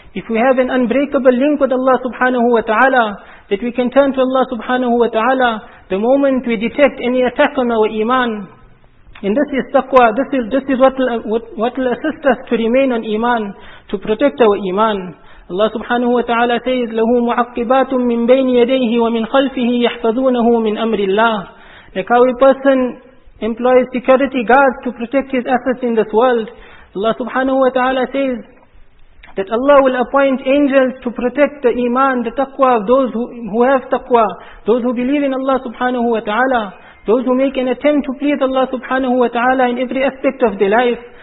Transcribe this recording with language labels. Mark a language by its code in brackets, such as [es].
[en] If we have an unbreakable link with Allah subhanahu wa ta'ala, that we can turn to Allah subhanahu wa ta'ala, the moment we detect any attack on our iman, and this is taqwa, this is what will assist us to remain on iman, to protect our iman. Allah subhanahu wa ta'ala says, [ar] لَهُ مُعَقِّبَاتٌ مِّن بَيْنِ يَدَيْهِ وَمِن خَلْفِهِ يَحْفَظُونَهُ مِنْ أَمْرِ اللَّهِ. [en] Like how a person employs security guards to protect his assets in this world, Allah subhanahu wa ta'ala says that Allah will appoint angels to protect the iman, the taqwa of those who have taqwa, those who believe in Allah subhanahu wa ta'ala, those who make an attempt to please Allah subhanahu wa ta'ala in every aspect of their life.